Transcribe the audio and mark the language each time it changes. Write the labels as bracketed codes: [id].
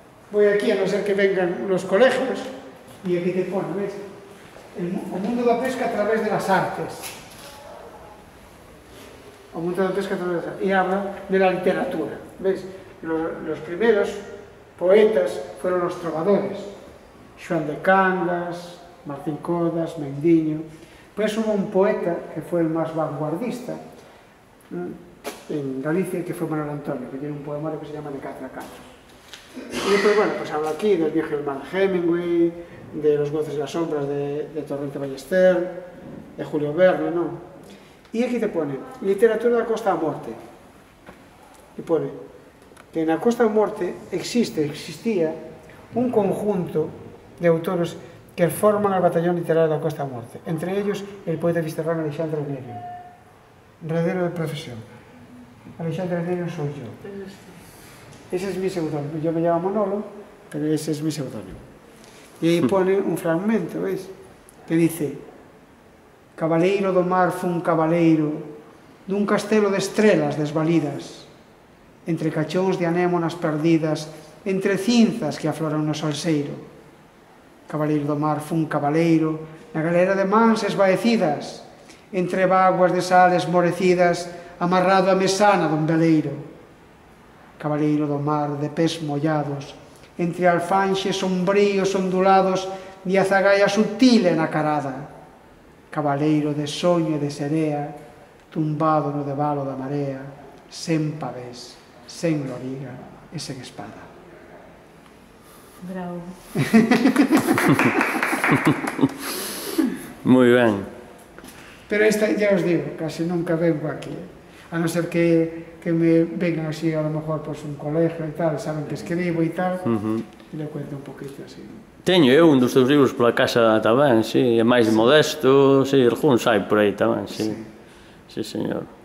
[es] voy aquí a no ser que vengan los colegios, y aquí te pone, ¿ves? [gl] O mundo da pesca [es] a través de las artes. [gl] O mundo da pesca [es] a través de las artes. E habla de la literatura, ¿ves? Los primeros poetas fueron los trovadores. Xoán de Cangas, Martín Codas, Mendiño. Pues hubo un poeta que fue el más vanguardista en Galicia, que fue Manuel Antonio, que tiene un poema que se llama De Catra Canto. Y después, bueno, pues habla aquí del viejo hermano Hemingway, de Los goces y las sombras de Torrente Ballester, de Julio Verne, ¿no? Y aquí te pone, literatura de Acosta a Morte. Y pone, que en Acosta a Morte existía un conjunto de autores que forman el batallón literario de Acosta a Morte. Entre ellos, el poeta fisterrano Alexandre Nerio, redero de profesión. Alexandre Nerio soy yo. Ese es mi seudónimo. Yo me llamo Manolo, pero ese es mi seudónimo. Y ahí pone un fragmento, ¿ves? [gl] Que dice, Cabaleiro do mar fun cabaleiro dun castelo de estrelas desvalidas entre cachóns de anémonas perdidas entre cinzas que afloran no salseiro. Cabaleiro do mar fun cabaleiro na galera de mans esvaecidas entre vaguas de sal esmorecidas amarrado a mesana dun veleiro. Cabaleiro do mar de pés mollados entre alfanxes sombríos ondulados de azagaia sutil en acarada. Cabaleiro de soño e de serea, tumbado no debalo da marea, sen pavés, sen loriga e sen espada. [es] Bravo. [gl] Muy ben. [es] Pero esta, ya os digo, casi nunca vengo aquí. [gl] A non ser que [es] me vengan así, a lo mejor, pues, un colegio e tal, saben que escribo e tal, uh-huh. E le cuento un poquito así. [gl] Teño eu un dos teus libros pola casa tamén, sí, é máis sí. Modesto, sí, algún sai por aí tamén, sí. Sí, sí señor.